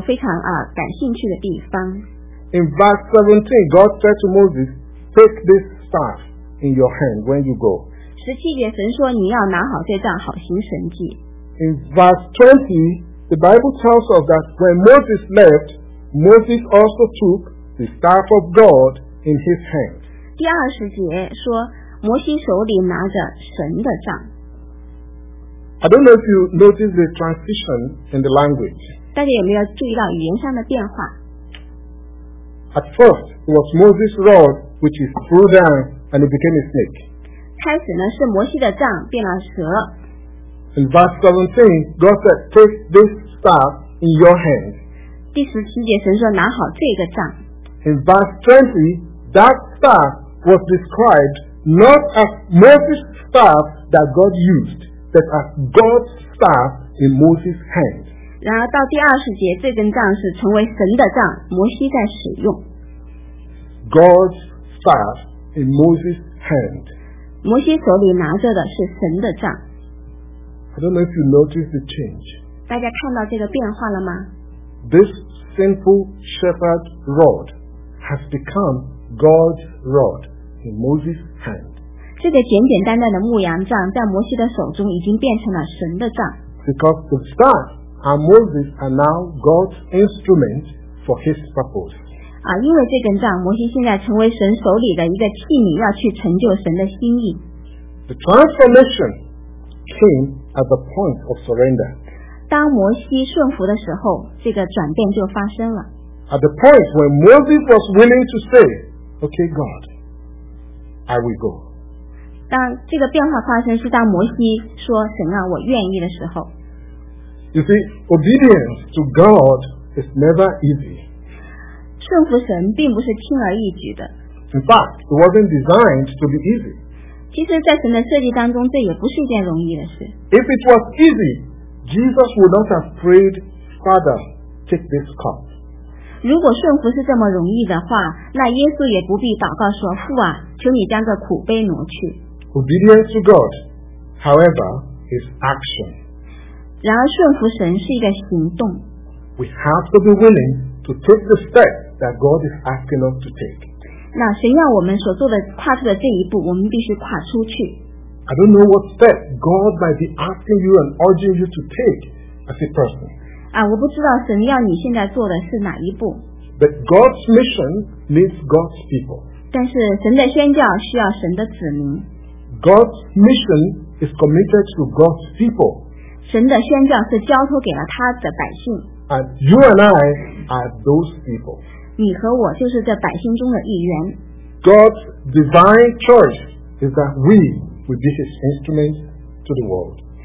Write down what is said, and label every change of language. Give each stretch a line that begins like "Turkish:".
English: In verse 17, God said to Moses, "Take this staff in your hand when you go."
Chinese: 十七节，神说你要拿好这杖，好行神迹。
English: In verse 20, the Bible tells us that when Moses left, Moses also took the staff of God in his hand.
Chinese: 第二十节说，摩西手里拿着神的杖。
English: I don't know if you noticed the transition in the language.
Chinese: 大家有没有注意到语言上的变化？
English: At first, it was Moses' rod, which is threw down, and it became a snake.
Chinese: 开始呢，是摩西的杖变了蛇。
English: In verse 17, God said, "Take this staff in your hand."
Chinese: 第十七节，神说拿好这个杖。
English: In verse 20, that staff was described not as Moses' staff that God used, but as God's staff in Moses' hand.
Chinese: 然而到第二十节，这根杖是成为神的杖，摩西在使用。
English: God's staff in Moses' hand.
Chinese: 摩西手里拿着的是神的杖。
English: I don't know if you noticed the change.
Chinese: 大家看到这个变化了吗？
English: This simple shepherd rod has become God's rod in Moses' hand.
Chinese: 这个简简单单的牧羊杖，在摩西的手中已经变成了神的杖。
English: Because the staff. And Moses are now God's instrument for His purpose.
Chinese: 啊，因为这根杖，摩西现在成为神手里的一个器皿，要去成就神的心意。
English: The transformation came at the point of surrender.
Chinese: 当摩西顺服的时候，这个转变就发生了。
English: At the point when Moses was willing to say, "Okay, God, I will go."
Chinese: 当这个变化发生，是当摩西说“神啊，我愿意”的时候。
English: You see, obedience to God is never easy.
Chinese: 顺服神并不是轻而易举的。
English: In fact, it wasn't designed to be easy.
Chinese: 其实在神的设计当中，这也不是一件容易的事。
English: If it was easy, Jesus would not have prayed, "Father, take this cup."
Chinese: 如果顺服是这么容易的话，那耶稣也不必祷告说，父啊，求你将这苦杯挪去。
English: Obedience to God, however, is action.
Chinese: 然而顺服神是一个行动。
English: We have to be willing to take the step that God is asking us to take.
Chinese: 那神要我们所做的跨出的这一步，我们必须跨出去。
English: I don't know what step God might be asking you and urging you to take as a person.
Chinese: 啊，我不知道神要你现在做的是哪一步。
English: But God's mission needs God's people.
Chinese: 但是神的宣教需要神的子民。
English: God's mission is committed to God's people.
Chinese: 神的宣教是交托给了他的百姓。
English: And you and I are those people.
Chinese: 你和我就是这百姓中的一员。
English: God's divine choice is that we will be His instrument to the world.